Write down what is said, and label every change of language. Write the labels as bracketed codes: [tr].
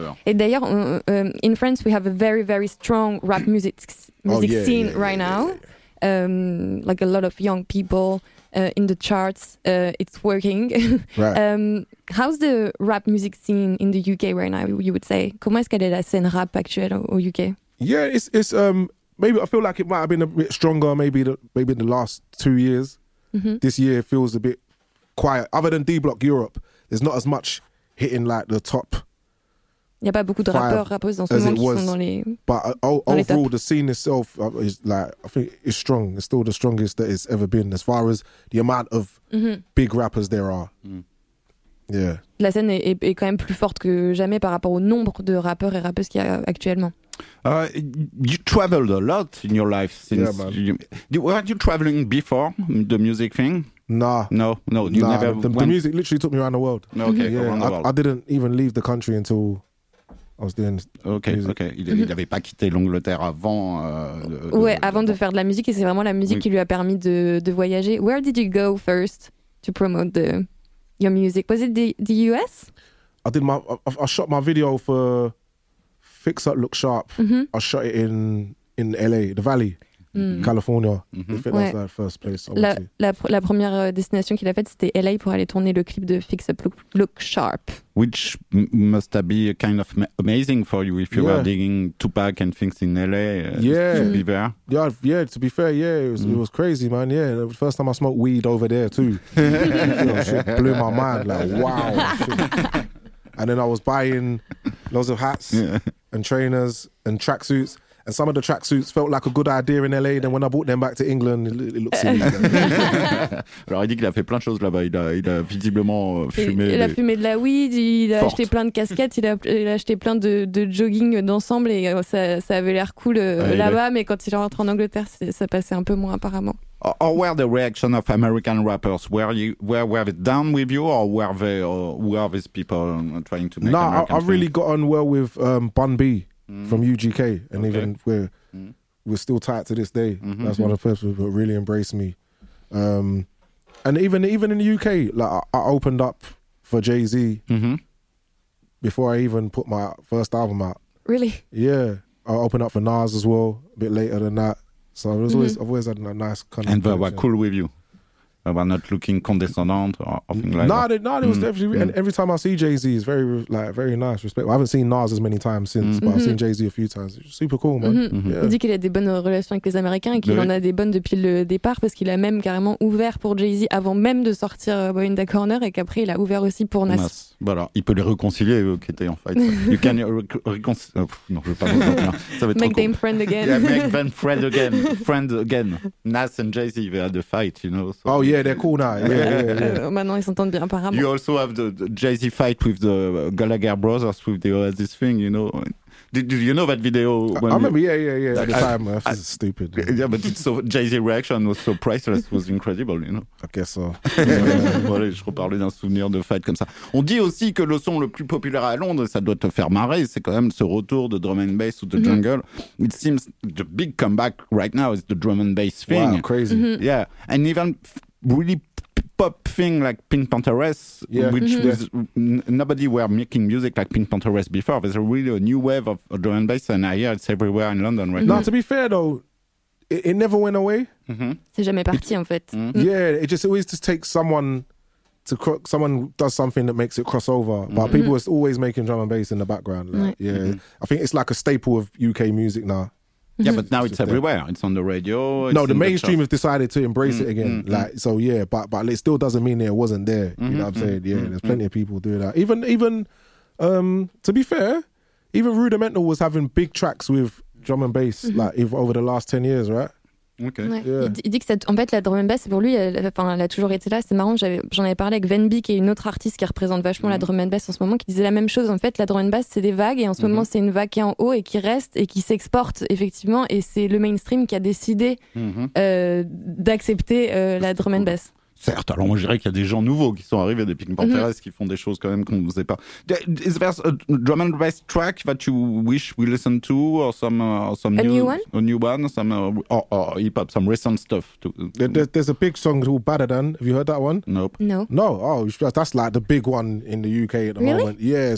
[fr] et d'ailleurs, [en] in France, we have a very, very strong rap music scene right now. Like a lot of young people in the charts. It's working. Right. How's the rap music scene in the UK right now, you would say? [fr] Comment est-ce qu'elle est la scène rap actuelle au UK? [en] Yeah, it's maybe I feel like it might have been a bit stronger maybe in the last 2 years. This year feels a bit quiet. Other than D-Block Europe, there's not as much hitting like the top. [fr] Il y a pas beaucoup de rappeurs en ce moment qui sont dans les. [en] But overall, the scene itself is like, I think it's strong. It's still the strongest that it's ever been as far as the amount of big rappers there are. Yeah. [fr] La scène est quand même plus forte que jamais par rapport au nombre de rappeurs et rappeuses qu'il y a actuellement. [en] You traveled a lot in your life since. Weren't you traveling before the music thing? No. Never. The music literally took me around the world. Okay, yeah, around the world. I didn't even leave the country until I was doing. Okay, music. [fr] Okay. Il n'avait pas quitté l'Angleterre avant. Avant de faire de la musique, et c'est vraiment la musique qui lui a permis de voyager. [en] Where did you go first to promote your music? Was it the US? I shot my video for. Fix Up, Look Sharp. Mm-hmm. I shot it in LA, the Valley, California. Mm-hmm. I think that's the first place. [fr] La première destination qu'il a faite, c'était LA pour aller tourner le clip de Fix Up, Look Sharp. [en] Which must have been kind of amazing for you if you were digging Tupac and things in LA. To be there. Yeah, to be fair, it was crazy, man. Yeah, the first time I smoked weed over there, too. shit blew my mind. Like, wow. And then I was buying loads of hats and trainers and tracksuits. And some of the tracksuits felt like a good idea in LA. Then when I brought them back to England, it looked silly. [fr] Alors, il dit qu'il a fait plein de choses là-bas. Il a visiblement fumé. Il a fumé de la weed, il a acheté plein de casquettes, il a acheté plein de jogging d'ensemble. Et ça avait l'air cool là-bas. Mais quand il est rentré en Angleterre, ça passait un peu moins apparemment. [en] Or were the reaction of American rappers? Were they down with you, or were they? Or who are these people trying to make? No, American I really got on well with Bun B from UGK, and even we're still tight to this day. Mm-hmm. That's one of the first people that really embraced me. And even in the UK, like I opened up for Jay-Z before I even put my first album out. Really? Yeah, I opened up for Nas as well a bit later than that. So I've always had a nice kind of. And they were cool with you. They were not looking condescending or anything like that. No, it was definitely. And every time I see Jay-Z, it's very nice, respectful. I haven't seen Nas as many times since, but I've seen Jay-Z a few times. It's super cool, man. [fr] Il dit qu'il a des bonnes relations avec les Américains et qu'il en a des bonnes depuis le départ parce qu'il a même carrément ouvert pour Jay-Z avant même de sortir Boy in the Corner et qu'après il a ouvert aussi pour Nas. Nas. Voilà, il peut les réconcilier, eux qui étaient en fight. [en] You can [fr] reconcilier. Non, je veux pas vous dire. Ça va être [en] make them friend again. Yeah, make them friend again. Friend again. Nas and Jay-Z, they had a fight, you know. So. Oh, yeah, they're cool now. Yeah. [fr] Maintenant, ils s'entendent bien, apparemment. [en] You also have the Jay-Z fight with the Gallagher brothers with the Oasis thing, you know. Did you know that video? I remember, this is stupid. Yeah, but it's so, Jay-Z reaction was so priceless, was incredible, you know. I guess so. [fr] Voilà, je reparlais d'un souvenir de fight comme ça. On dit aussi que le son le plus populaire à Londres, ça doit te faire marrer, c'est quand même ce retour de drum and bass ou de jungle. [en] It seems the big comeback right now is the drum and bass thing. Wow, crazy. Yeah, and even really pop thing like Pink Panthers, yeah, which mm-hmm. was nobody were making music like Pink Panthers before. There's a really a new wave of drum and bass, and I hear it's everywhere in London right now. To be fair though, it never went away. [fr] Mm-hmm. C'est jamais parti, en fait. [en] Mm-hmm. Yeah, it just always just takes someone to someone does something that makes it cross over. Mm-hmm. But people mm-hmm. are always making drum and bass in the background. Like, mm-hmm. Yeah, mm-hmm. I think it's like a staple of UK music now. Mm-hmm. Yeah, but now it's everywhere. There. It's on the radio. No, the mainstream have decided to embrace mm-hmm. it again. Mm-hmm. Like, so yeah, but it still doesn't mean it wasn't there. Mm-hmm. You know what I'm saying? Yeah, mm-hmm. there's plenty of people doing that. Even to be fair, even Rudimental was having big tracks with drum and bass mm-hmm. like if over the last 10 years, right? Okay. Ouais. Yeah. [fr] Il dit que c'est, en fait la drum and bass pour lui elle a toujours été là, c'est marrant, j'en avais parlé avec Venby qui est une autre artiste qui représente vachement mm-hmm. la drum and bass en ce moment, qui disait la même chose, en fait la drum and bass c'est des vagues et en ce mm-hmm. moment c'est une vague qui est en haut et qui reste et qui s'exporte effectivement et c'est le mainstream qui a décidé mm-hmm. D'accepter la drum and bass. Certes, alors moi je dirais qu'il y a des gens nouveaux qui sont arrivés, des Pink Panthers mm-hmm. qui font des choses quand même qu'on ne faisait pas. [en] Is there a drum and bass track that you wish we listened to or some new one, or hip hop, some recent stuff too? There's a big song called Badadan. Have you heard that one? Nope. No. No. Oh, that's like the big one in the UK at the really? Moment. Yeah.